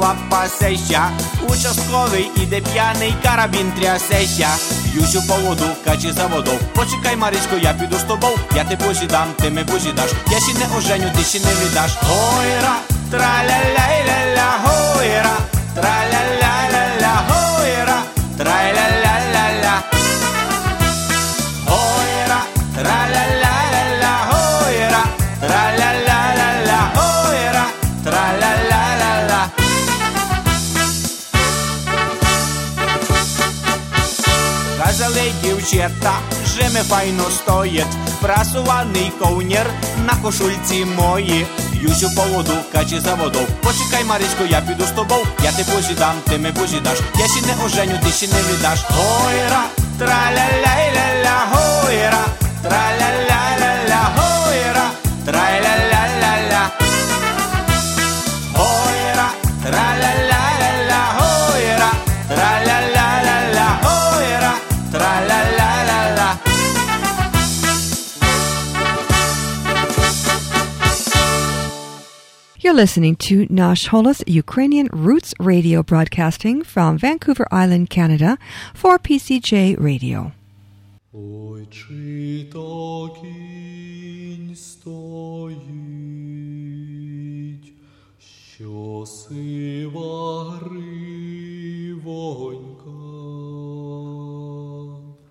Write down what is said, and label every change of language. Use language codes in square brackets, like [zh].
[uk] Пасеща, участковий іде п'яний, карабін трясеща. Б'юсь у поводу, качі за воду. Почекай, Марічко, я піду з тобою. Я ти позідам, ти ми позідаш. Я ще не оженю, ти ще не віддаш. Гойра, траля-ля-ля-ля, гойра, траля-ля-ля-ля, гойра, траля-ля-ля-ля. Гойра, траля-ля-ля-ля, гойра, траля-ля-ля-ля, гойра, траля-ля-ля-ля. Казали дівчата, жими файно стоїть, прасуваний ковнір на кошульці мої. Б'юсь у поводу, качі за воду. Почекай, Марічко, я піду з тобою. Я ти позідам, ти ми позідаш. Я ще не оженю, ти ще не віддаш. Гойра, траля-ля-ля-ля, гойра, траля-ля-ля-ля, гойра, траля-ля-ля-ля. Гойра, траля-ля-ля-ля, гойра, траля-ля-ля. [en] You're listening to Nash Holos, Ukrainian Roots Radio, broadcasting from Vancouver Island, Canada, for PCJ Radio. [uk] Ой, чи то кінь стоїть, що сива гривонька,